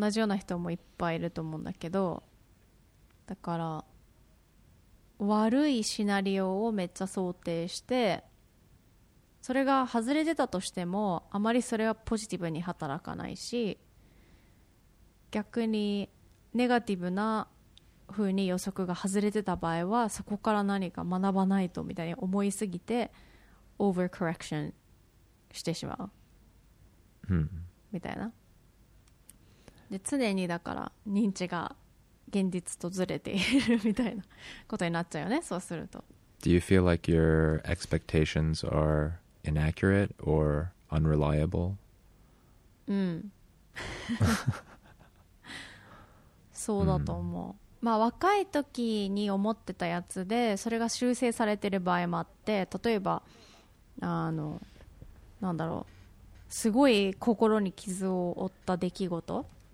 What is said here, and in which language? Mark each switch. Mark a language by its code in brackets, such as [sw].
[ja] 同じような人もいっぱいいると思うんだけどだから悪いシナリオをめっちゃ想定してそれが外れてたとしてもあまりそれはポジティブに働かないし逆にネガティブな風に予測が外れてた場合はそこから何か学ばないとみたいに思いすぎてオーバーコレクションしてしまう、うん、みたいなで常にだから認知が現実とずれているみたいなことになっちゃうよねそうすると [en] Do you feel like your expectations are inaccurate or unreliable? [ja] うんそうだと思う、うんまあ、若い時に思ってたやつでそれが修正されてる場合もあって例えばなんだろうすごい心に傷を負った出来事